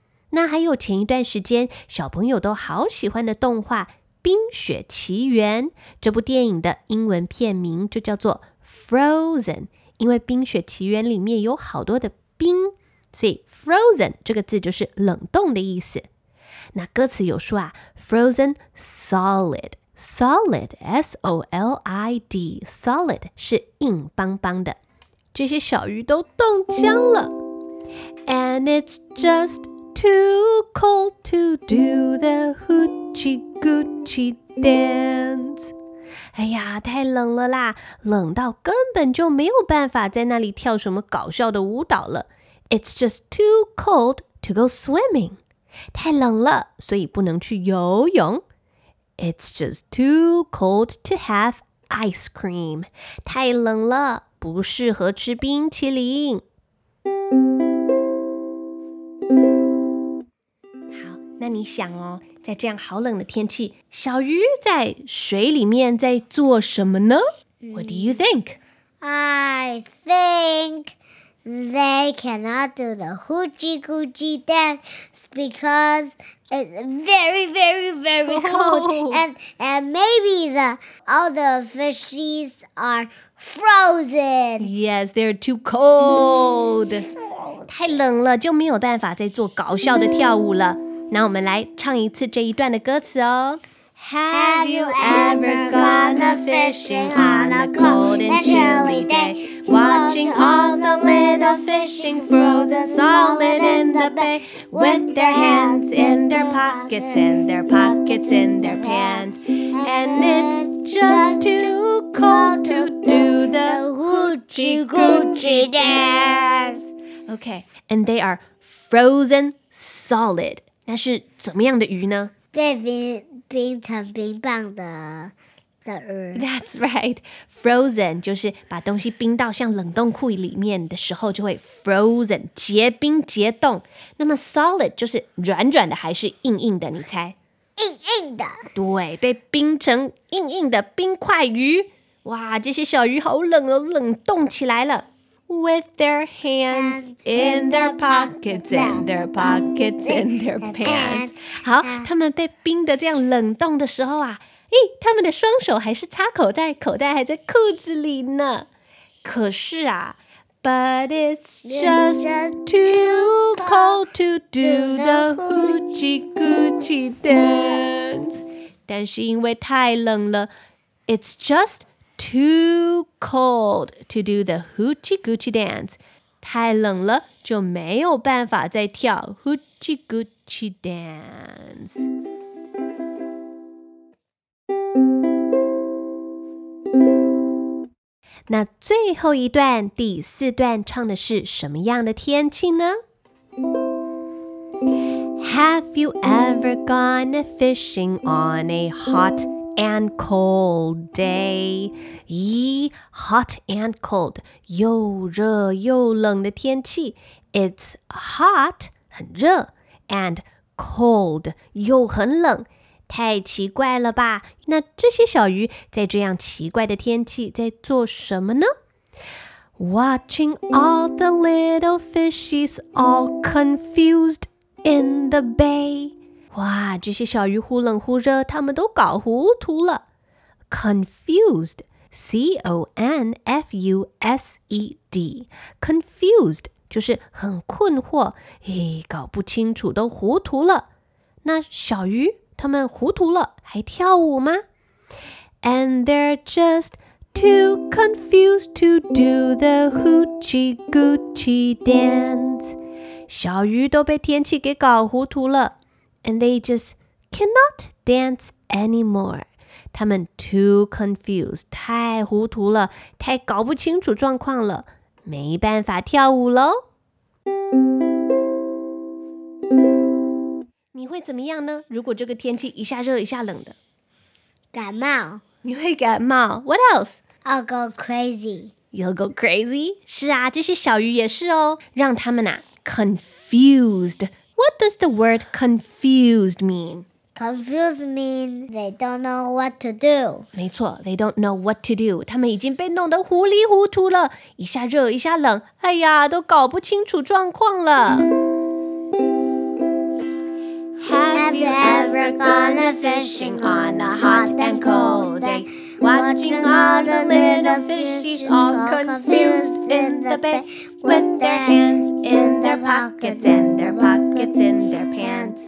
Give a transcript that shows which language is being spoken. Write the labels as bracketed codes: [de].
[zh] 那还有前一段时间小朋友都好喜欢的动画《冰雪奇缘》，这部电影的英文片名就叫做 Frozen， 因为《冰雪奇缘》里面有好多的冰，所以 Frozen 这个字就是冷冻的意思。那歌词有说啊 ，Frozen solid， solid， S O L I D， solid 是硬邦邦的，这些小鱼都冻僵了。 [en] And it's just too cold to do the hoochie goochie dance. [zh] 哎呀，太冷了啦，冷到根本就没有办法在那里跳什么搞笑的舞蹈了。 [en] It's just too cold to go swimming. [zh] 太冷了，所以不能去游泳。 [en] It's just too cold to have ice cream. [zh] 太冷了，不适合吃冰淇淋。那你想哦，在这样好冷的天气，小鱼在水里面在做什么呢？ [en] What do you think? I think they cannot do the hoochie goochie dance because it's very, very, very cold. And maybe all the fishies are frozen. Yes, they're too cold. [zh] 太冷了，就没有办法再做搞笑的跳舞了。那我们来唱一次这一段的歌词哦。 [en] Have you ever gone a fishing on a cold and chilly day, watching all the little fishing frozen solid in the bay, with their hands in their pockets, in their pockets, in their pants, and it's just too cold to do the hoochie goochie dance? Okay, and they are frozen solid. [zh] 那是怎么样的鱼呢？被冰成冰棒的鱼。 [en] That's right. [zh] Frozen 就是把东西冰到像冷冻库里面的时候就会 frozen, 结冰结冻。那么 solid 就是软软的还是硬硬的，你猜？硬硬的。对，被冰成硬硬的冰块鱼。哇，这些小鱼好冷哦，冷冻起来了。 [en] With their hands in their pockets, in their pockets, in their pants. [zh] 好，他们被冰的这样冷冻的时候啊，诶，他们的双手还是插口袋，口袋还在裤子里呢。可是啊 [en] ，But it's just too cold to do the hoochie goochie dance. [zh] 但是因为太冷了 [en] ，It's just. Too cold to do the hoochie goochie dance. [zh] 太冷了，就没有办法再跳 [en] hoochie goochie dance. [zh] 那最后一段，第四段唱的是什么样的天气呢？ [en] Have you ever gone fishing on a hot and cold day? Hot and cold, [zh] 又热又冷的天气。 [en] It's hot, [zh] 很热， [en] and cold, [zh] 又很冷。太奇怪了吧？那这些小鱼在这样奇怪的天气在做什么呢？ [en] Watching all the little fishies all confused in the bay. [zh] 哇，这些小鱼忽冷忽热，他们都搞糊涂了。 [en] Confused, C-O-N-F-U-S-E-D, confused [zh] 就是很困惑，诶，搞不清楚，都糊涂了。那小鱼他们糊涂了，还跳舞吗？ [en] And they're just too confused to do the hoochie goochie dance. [zh] 小鱼都被天气给搞糊涂了。 [en] And they just cannot dance anymore. [zh] 他们 [en] too confused, [zh] 太糊涂了，太搞不清楚状况了，没办法跳舞喽。你会怎么样呢？如果这个天气一下热一下冷的，感冒。你会感冒。 [en] What else? I'll go crazy. You'll go crazy? [zh] 是啊，这些小鱼也是哦，让他们啊 [en] confused. What does the word confused mean? Confused means they don't know what to do. [zh] 没错 [en] they don't know what to do. [zh] 他们已经被弄得糊里糊涂了，一下热一下冷，哎呀，都搞不清楚状况了。 [en] Have you ever gone fishing on a hot and cold day? Watching all the little fishies all confused in the bay with their hands in their pockets and their pockets in their pants.